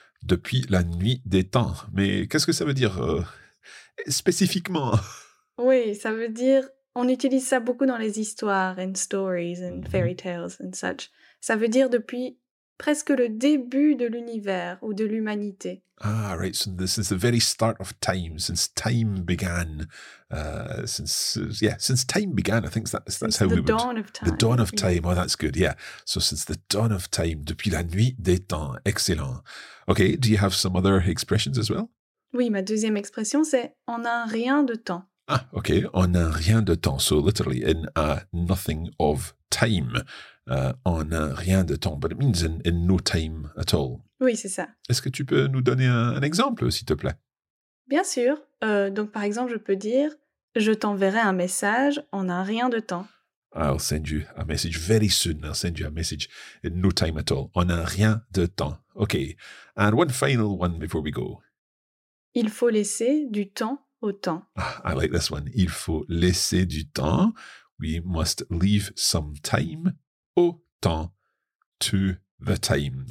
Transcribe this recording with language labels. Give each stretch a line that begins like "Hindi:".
French: Depuis la nuit des temps. Mais qu'est-ce que ça veut dire spécifiquement? Oui, ça veut dire, on utilise ça beaucoup dans les histoires,
English: and stories, and fairy tales, and such.
French: Ça veut dire depuis presque le début de l'univers ou de l'humanité.
English: Ah, right. So this is the very start of time, since time began. Since time began, I think that's how we would... The dawn of time. The dawn of time. Oh, that's good, yeah. So since the dawn of time,
French: depuis la nuit des temps.
English: Excellent. Okay, do you have some other expressions as well?
French: Oui, ma deuxième expression, c'est « on a rien de temps ».
English: Ah, okay,
French: on a rien de temps.
English: So literally, in a nothing of time
French: en un rien de temps,
English: but it means in no time at all.
French: Oui, c'est ça. Est-ce que tu peux nous donner un exemple, s'il te plaît? Bien sûr. Donc, par exemple, je peux dire « Je t'enverrai un message en un rien de temps. »
English: I'll send you a message very soon. I'll send you a message in no time at all.
French: En un rien de temps.
English: OK. And one final one before we go.
French: Il faut laisser du temps au temps.
English: I like this one.
French: Il faut laisser du temps.
English: We must leave some time
French: au temps
English: to the time.